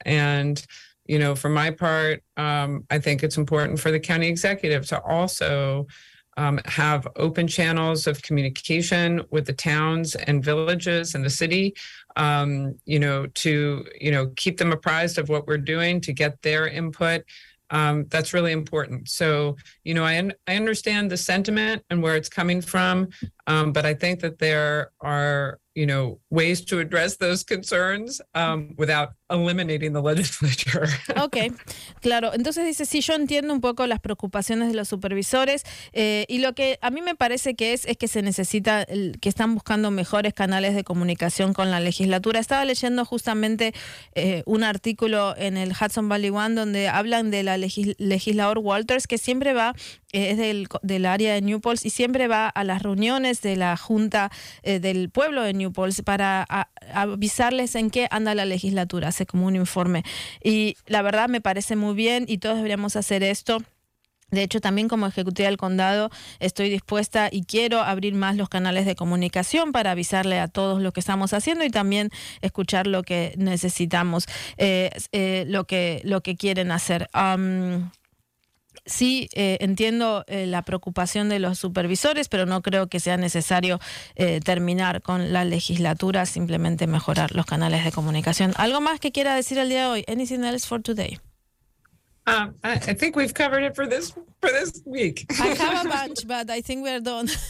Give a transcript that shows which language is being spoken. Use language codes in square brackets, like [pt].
[en] And, you know, for my part, I think it's important for the county executive to also have open channels of communication with the towns and villages and the city, you know, to, you know, keep them apprised of what we're doing, to get their input. That's really important. So, you know, I understand the sentiment and where it's coming from, but I think that there are, you know, ways to address those concerns without eliminating the legislature. [es] Okay, claro. Entonces dice, sí, yo entiendo un poco las preocupaciones de los supervisores y lo que a mí me parece que es que se necesita, que están buscando mejores canales de comunicación con la legislatura. Estaba leyendo justamente un artículo en el Hudson Valley One donde hablan de la legislador Walters, que siempre va, es del área de New Paltz y siempre va a las reuniones de la Junta del Pueblo de New Paltz para avisarles en qué anda la legislatura, hace como un informe. Y la verdad me parece muy bien y todos deberíamos hacer esto. De hecho, también como ejecutiva del condado estoy dispuesta y quiero abrir más los canales de comunicación para avisarle a todos lo que estamos haciendo y también escuchar lo que necesitamos, lo que quieren hacer. Sí, entiendo la preocupación de los supervisores, pero no creo que sea necesario terminar con la legislatura, simplemente mejorar los canales de comunicación. ¿Algo más que quiera decir el día de hoy? [en] Anything else for today? I think we've covered it for this week. I have a bunch, but I think we're done.